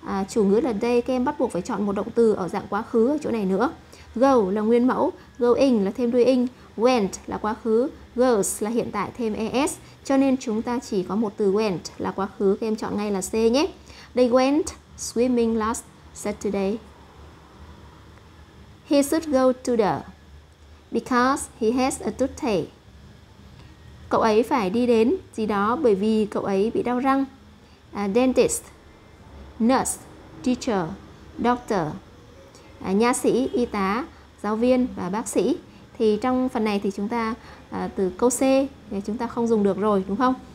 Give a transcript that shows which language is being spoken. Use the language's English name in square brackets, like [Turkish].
[Vietnamese] Chủ ngữ là day, các em bắt buộc phải chọn một động từ ở dạng quá khứ ở chỗ này nữa. Go là nguyên mẫu, going là thêm đuôi ing, went là quá khứ, goes là hiện tại thêm es. Cho nên chúng ta chỉ có một từ went là quá khứ, các em chọn ngay là C nhé. [English] They went swimming last Saturday. He should go to the because he has a toothache. [Vietnamese] Cậu ấy phải đi đến gì đó bởi vì cậu ấy bị đau răng. [English] Dentist, nurse, teacher, doctor, [Vietnamese] nha sĩ, y tá, giáo viên và bác sĩ. Thì trong phần này thì chúng ta từ câu C thì chúng ta không dùng được rồi đúng không?